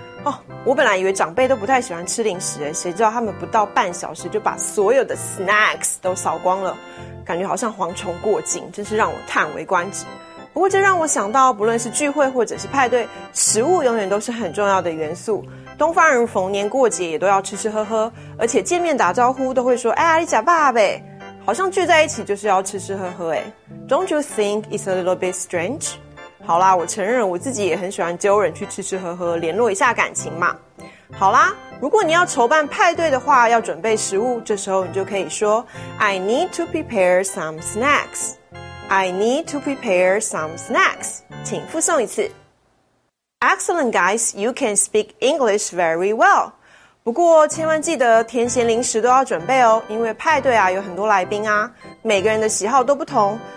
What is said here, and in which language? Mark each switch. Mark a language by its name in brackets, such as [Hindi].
[Chinese] 哦，我本来以为长辈都不太喜欢吃零食，谁知道他们不到半小时就把所有的 snacks 都扫光了，感觉好像蝗虫过境，真是让我叹为观止。不过这让我想到，不论是聚会或者是派对，食物永远都是很重要的元素。东方人逢年过节也都要吃吃喝喝，而且见面打招呼都会说哎呀你吃饱呗，好像聚在一起就是要吃吃喝喝。 [English] 哎 Don't you think it's a little bit strange? [Chinese] 好啦，我承认我自己也很喜欢揪人去吃吃喝喝，联络一下感情嘛。好啦，如果你要筹办派对的话，要准备食物，这时候你就可以说 [English] I need to prepare some snacks. I need to prepare some snacks. [Chinese] 请复诵一次。 [English] Excellent guys, you can speak English very well. [Chinese] 不过千万记得甜咸零食都要准备哦，因为派对啊有很多来宾啊，每个人的喜好都不同。